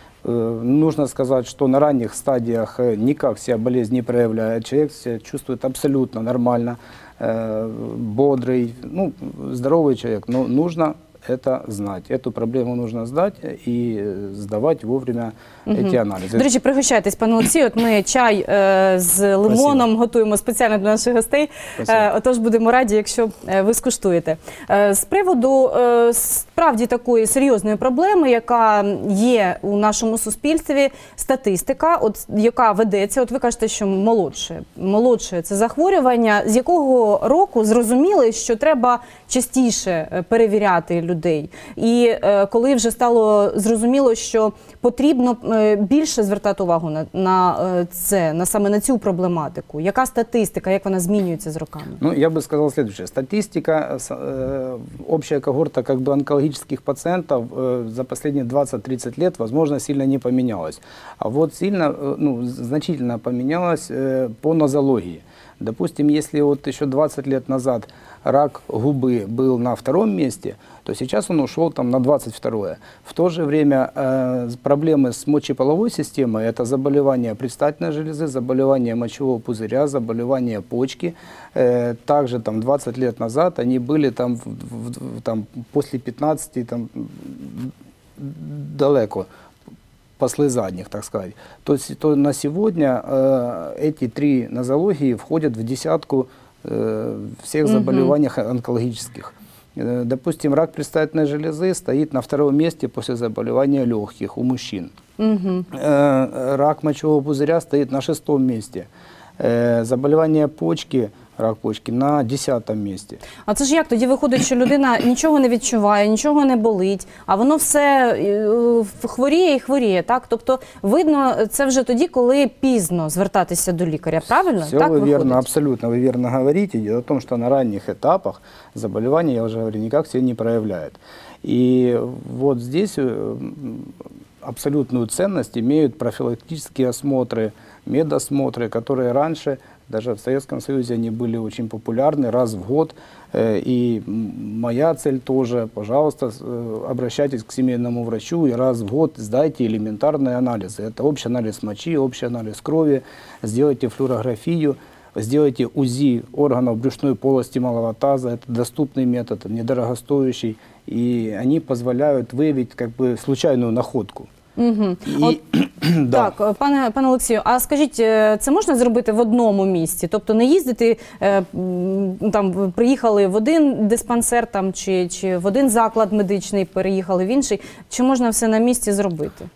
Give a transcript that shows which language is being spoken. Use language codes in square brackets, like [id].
[ru] Нужно сказать, что на ранних стадиях никак себя болезнь не проявляет. Человек себя чувствует абсолютно нормально, бодрый, ну, здоровый человек. Но нужно это знать. Эту проблему нужно знать и сдавать вовремя эти анализы. [uk] До речі, пригощайтесь, пане Олексію. От ми чай з лимоном [ru] Спасибо. [uk] Готуємо спеціально для наших гостей. Отож, будемо раді, якщо ви скуштуєте. З приводу справді такої серйозної проблеми, яка є у нашому суспільстві, статистика, от, яка ведеться, от ви кажете, що молодше це захворювання. З якого року зрозуміли, що треба частіше перевіряти людей? І коли вже стало зрозуміло, що потрібно більше звертати увагу на це, на саме на цю проблематику? Яка статистика, як вона змінюється з роками? Ну, я би сказав [ru] следующее. Статистика, общая когорта как бы онкологических пациентов за последние 20-30 лет, возможно, сильно не поменялась. А вот сильно, ну, значительно поменялась по нозологии. Допустим, если вот еще 20 лет назад рак губы был на втором месте, то сейчас он ушел там на 22-е. В то же время проблемы с мочеполовой системой – это заболевания предстательной железы, заболевания мочевого пузыря, заболевания почки. Также там 20 лет назад они были там, после 15-ти там, далеко. Послы задних, так сказать. То есть то на сегодня эти три нозологии входят в десятку всех заболеваний онкологических. Допустим, рак предстательной железы стоит на втором месте после заболевания легких у мужчин. Рак мочевого пузыря стоит на шестом месте. Заболевания почки, рак почки, [uk] на 10-м місці. А це ж як тоді виходить, що людина нічого не відчуває, нічого не болить, а воно все хворіє і хворіє, так? Тобто, видно, це вже тоді, коли пізно звертатися до лікаря, правильно? Все, так, ви вірно, абсолютно, ви вірно говорите. Діло в тому, що на ранніх етапах заболівання, я вже говорю, ніяк себе не проявляє. І от тут абсолютну цінність мають профілактичні осмотри, медосмотри, які раніше [ru] даже в Советском Союзе они были очень популярны раз в год. И моя цель тоже, пожалуйста, обращайтесь к семейному врачу и раз в год сдайте элементарные анализы. Это общий анализ мочи, общий анализ крови. Сделайте флюорографию, сделайте УЗИ органов брюшной полости малого таза. Это доступный метод, недорогостоящий. И они позволяют выявить как бы случайную находку. Угу. [uk] І, от, так, пане Олексію, а скажіть, це можна зробити в одному місці? Тобто не їздити, там, приїхали в один диспансер там, чи в один заклад медичний, переїхали в інший. Чи можна все на місці зробити?